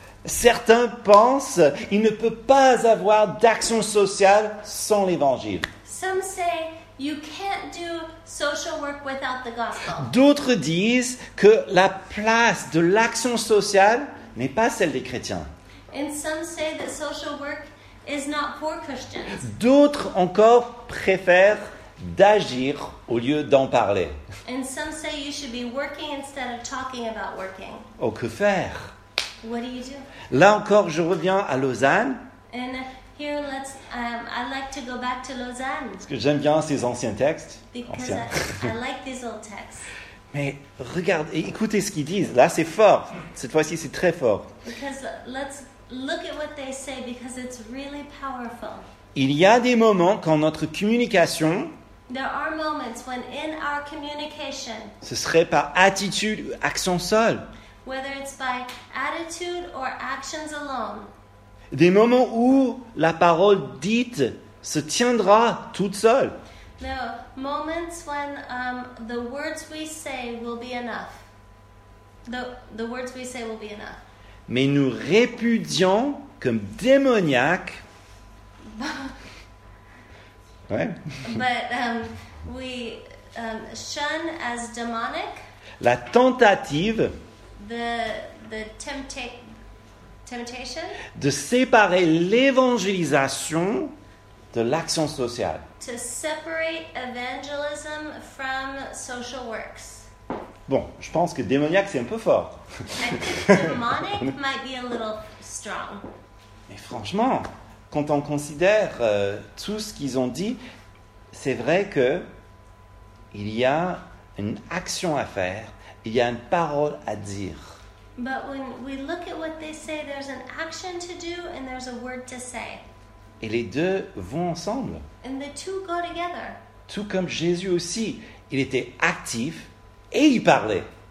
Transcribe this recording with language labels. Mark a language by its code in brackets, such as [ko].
[fr] Certains pensent qu'il ne peut pas avoir d'action sociale sans l'évangile. [en] Some say you can't do social work without the gospel. [fr] D'autres disent que la place de l'action sociale n'est pas celle des chrétiens. [en] And some say that social work is not for Christians. [fr] D'autres encore préfèrent d'agir au lieu d'en parler. [en] And some say you should be working instead of talking about working. [fr] Oh, que faire? [en] What do you do? [fr] Là encore, je reviens à Lausanne. [en] And here, let's. I like to go back to Lausanne. [fr] Parce que j'aime bien ces anciens textes. [en] Because [fr] anciens. [en] I like these old texts. [fr] Mais regarde, écoutez ce qu'ils disent. Là, c'est fort. Cette fois-ci, c'est très fort. [en] Because let's look at what they say because it's really powerful. [fr] Il y a des moments quand notre communication. [en] There are moments when in our communication. [fr] Ce serait par attitude ou action seule. [en] Whether it's by attitude or actions alone. [fr] Des moments où la parole dite se tiendra toute seule. [en] The moments when the words we say will be enough. The words we say will be enough. [fr] Mais nous répudions comme démoniaque. Ouais. [en] But we shun as demonic. [fr] La tentative. [en] The temptation. [fr] De séparer l'évangélisation de l'action sociale. [en] To separate evangelism from social works. [fr] Bon, je pense que démoniaque c'est un peu fort. [en] Demonic might be a little strong. [fr] Mais franchement, quand on considère tout ce qu'ils ont dit, c'est vrai que il y a une action à faire, il y a une parole à dire. [en] But when we look at what they say, there's an action to do and there's a word to say. [fr] Et les deux vont ensemble. [en] And the two go together. [fr] Tout comme Jésus aussi, il était actif et il parlait.